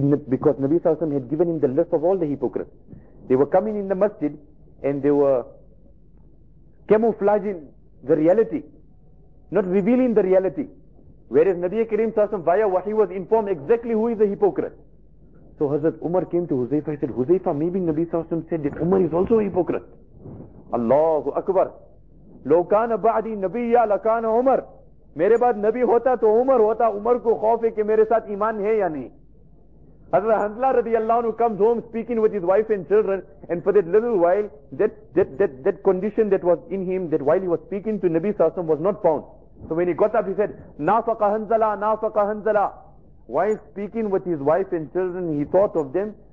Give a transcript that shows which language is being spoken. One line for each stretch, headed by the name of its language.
English: Because Nabi sallallahu alayhi wa sallam had given him the list of all the hypocrites. They were coming in the masjid and they were camouflaging the reality. Not revealing the reality. Whereas Nabi Kareem Sassam via wahi was informed exactly who is a hypocrite. So Hazrat Umar came to Huzaifa. He said, Huzaifa, maybe Nabi Sassam said that Umar is also a hypocrite.
Arabic: Allahu Akbar. Lo kana ba'di nabiyya la kana Umar.
Urdu: میرے بعد نبی ہوتا تو عمر ہوتا, عمر کو خوف ہے کہ میرے ساتھ ایمان ہے یا نہیں.
English: حضرت حنظلہ رضی اللہ عنہ comes home speaking with his wife and children, and for that little while that condition that was in him, that while he was speaking to Nabi Sallallahu Alaihi Wasallam was not found. So when he got up, he said,
Arabic: Nafaqa Hanzala, Nafaqa Hanzala.
English: While speaking with his wife and children, he thought of them.